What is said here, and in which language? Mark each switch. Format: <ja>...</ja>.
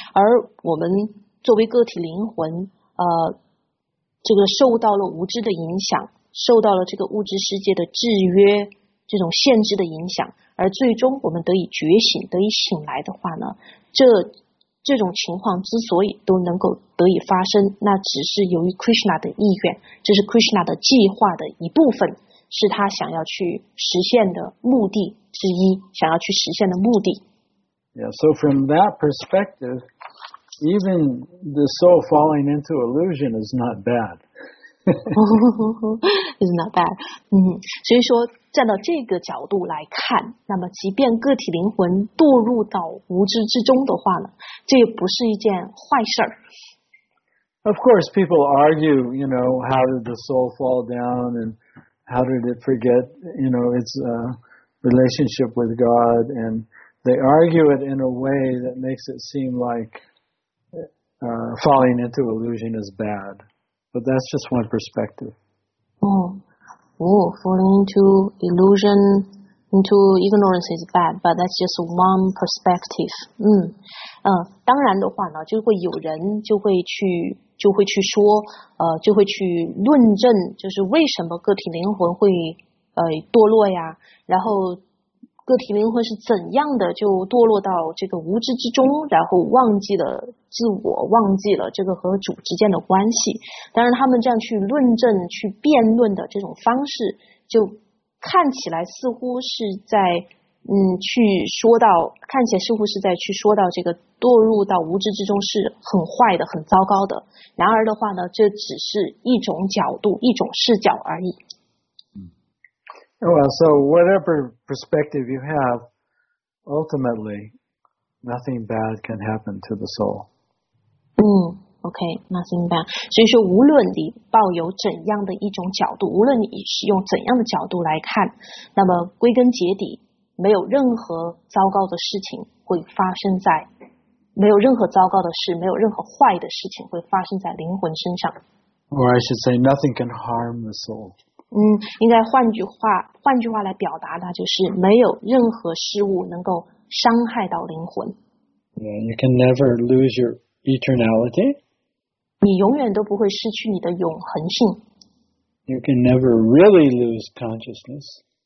<zh>而我们作为个体灵魂，这个受到了无知的影响，受到了这个物质世界的制约，这种限制的影响，而最终我们得以觉醒，得以醒来的话呢，这种情况之所以都能够得以发生，那只是由于 Krishna 的意愿，这是 Krishna 的计划的一部分，是他想要去实现的目的之一，想要去实现的目的。</zh> <en>Yeah, so from that perspective, even the soul falling into illusion is not bad. It's not bad.</en> <zh>所以说站到这个角度来看，那么即便个体灵魂堕入到无知之中的话呢，这也不是一件坏事。</zh> <en>Of course, people argue, you know, how did the soul fall down and how did it forget, you know, its relationship with God, and they argue it in a way that makes it seem like falling into illusion is bad. But that's just one perspective. Falling into illusion, into ignorance is bad, but that's just one perspective.</en> <zh>当然的话呢，就会有人就会去说，就会去论证，就是为什么个体灵魂会堕落呀？然后个体灵魂是怎样的就堕落到这个无知之中，然后忘记了自我，忘记了这个和主之间的关系。当然他们这样去论证，去辩论的这种方式，就看起来似乎是在去说到这个堕入到无知之中是很坏的，很糟糕的。然而的话呢，这只是一种角度，一种视角而已。</zh> <en>Well, so whatever perspective you have, ultimately, nothing bad can happen to the soul. Okay, nothing bad.</en> <zh>所以说，无论你抱有怎样的一种角度，无论你是用怎样的角度来看，那么归根结底，没有任何糟糕的事情会发生在，没有任何糟糕的事，没有任何坏的事情会发生在灵魂身上。</zh> <en>Or I should say, nothing can harm the soul.</en> <zh>应该换句话来表达的就是没有任何事物能够伤害到灵魂。</zh> <en>Yeah, you can never lose your eternality.</en> <zh>你永远都不会失去你的永恒性。</zh> <en>You can never really lose consciousness.</en>